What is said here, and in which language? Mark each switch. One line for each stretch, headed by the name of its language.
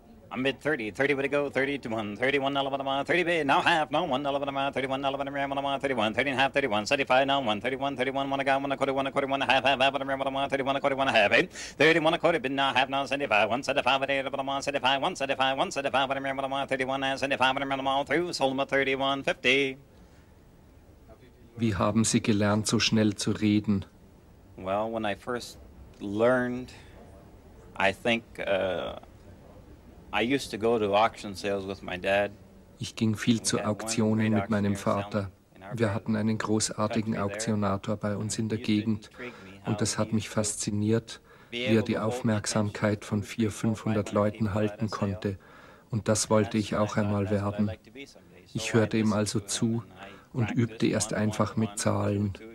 English: I'm mid 30, 30 with a go, 30 to 1, 31, 11, 30 bit, now half, no 1, 11, 31, 11, 31, 30 and half, 31, 75, now 1, 31, 31, 1, a guy, 1, a quarter, 1, a quarter, 1, a half, half, half, 31, a quarter, 1, a half, 31, a quarter, bit, now half, now 75, 1, 75, 8, 11, 75, 1, 75, 1, 75, 1, 31, and 75, 1, 31, all through, sold him at 31, 50.
German: Wie haben Sie gelernt, so schnell zu reden?
English: Well, when I first learned, I think, I used to go to auction sales with my dad.
German: Ich ging viel zu Auktionen mit meinem Vater. Wir hatten einen großartigen Auktionator bei uns in der Gegend. Und das hat mich fasziniert, wie er die Aufmerksamkeit von 400-500 Leuten halten konnte. Und das wollte ich auch einmal werden. Ich hörte ihm also zu und übte erst einfach mit Zahlen.